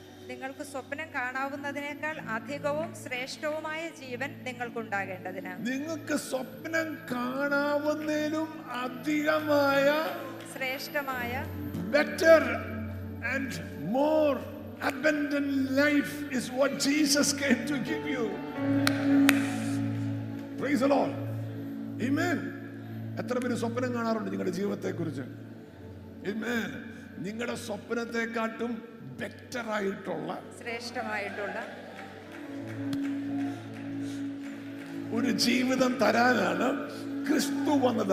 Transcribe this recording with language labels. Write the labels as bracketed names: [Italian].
[Malayalam] നിങ്ങൾക്ക് സ്വപ്നം കാണാവുന്നതിനേക്കാൾ അധികവും ശ്രേഷ്ഠവുമായ ജീവൻ നിങ്ങൾക്ക് ഉണ്ടാകേണ്ടതിന്. നിങ്ങൾക്ക് സ്വപ്നം കാണാവുന്നതിലും അധികമായ ശ്രേഷ്ഠമായ [English] better and more abundant life is what Jesus came to give you. Praise the Lord. Amen. [Malayalam] എത്ര പേര് സ്വപ്നം കാണാറുണ്ട് നിങ്ങളുടെ ജീവിതത്തെ കുറിച്ച്? Amen. നിങ്ങളുടെ സ്വപ്നത്തെക്കാട്ടും ബെറ്റർ ആയിട്ടുള്ള ശ്രേഷ്ഠമായിട്ടുള്ള ഒരു ജീവിതം തരാനാണ് ക്രിസ്തു വന്നത്.